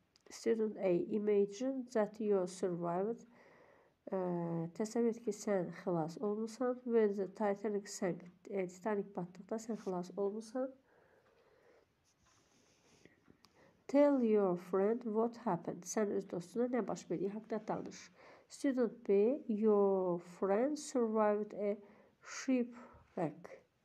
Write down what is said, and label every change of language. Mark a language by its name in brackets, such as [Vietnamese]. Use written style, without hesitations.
[English] Student A, imagine that you survived. [Azerbaijani] Təsəvvür et ki, sən xilas olmuşsan. [English] When the Titanic sank, [Azerbaijani] Titanic batdıqda sən xilas olmuşsan. [English] Tell your friend what happened. [Azerbaijani] Sən öz dostuna nə baş verdiyi haqda danış. [English] Student B, your friend survived a shipwreck.